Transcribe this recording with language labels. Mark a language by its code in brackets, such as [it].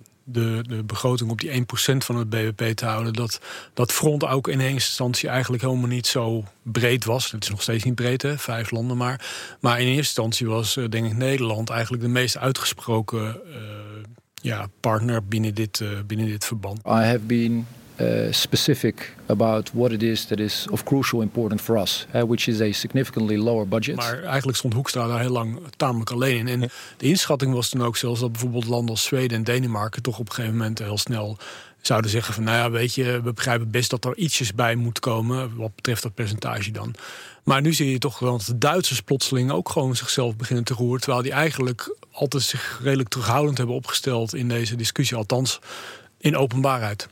[nl] De begroting op die 1% van het bbp te houden, dat front ook in één instantie eigenlijk helemaal niet zo breed was. Het is nog steeds niet breed, hè? 5 landen maar. Maar in eerste instantie was, denk ik, Nederland eigenlijk de meest uitgesproken partner binnen dit verband. [en] I have been specific about what it is that is of crucial important for us, which is a significantly lower budget. [nl] Maar eigenlijk stond Hoekstra daar heel lang tamelijk alleen in. En de inschatting was toen ook zelfs dat bijvoorbeeld landen als Zweden en Denemarken toch op een gegeven moment heel snel zouden zeggen van, nou ja, weet je, we begrijpen best dat er ietsjes bij moet komen wat betreft dat percentage dan. Maar nu zie je toch dat de Duitsers plotseling ook gewoon zichzelf beginnen te roeren, terwijl die eigenlijk altijd zich redelijk terughoudend hebben opgesteld in deze discussie, althans in openbaarheid.